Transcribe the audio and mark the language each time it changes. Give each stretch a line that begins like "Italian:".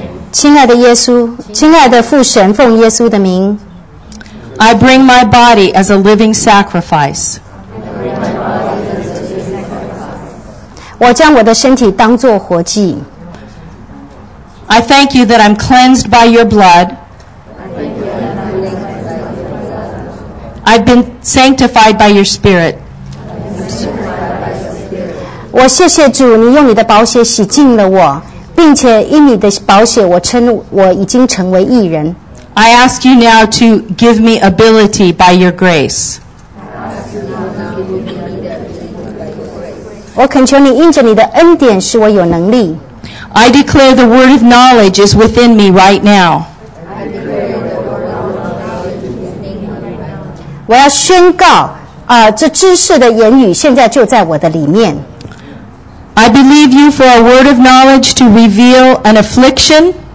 Chinese: 亲爱的耶稣，亲爱的父神，奉耶稣的名。
English: I bring my body as a living sacrifice.
Chinese: 我将我的身体当作活祭。
English: I thank you that I'm cleansed by your blood. I've been sanctified by your spirit.
Chinese: 我谢谢主，你用你的宝血洗净了我， 并且因你的宝血，我称我已经成为义人。
English: I ask you now to give me ability by your grace.
Chinese: 我恳求你因着你的恩典使我有能力。
English: I declare the word of knowledge is within me right now.
Chinese: 我要宣告， 这知识的言语现在就在我的里面。
English: I believe you for a word of knowledge to reveal an affliction.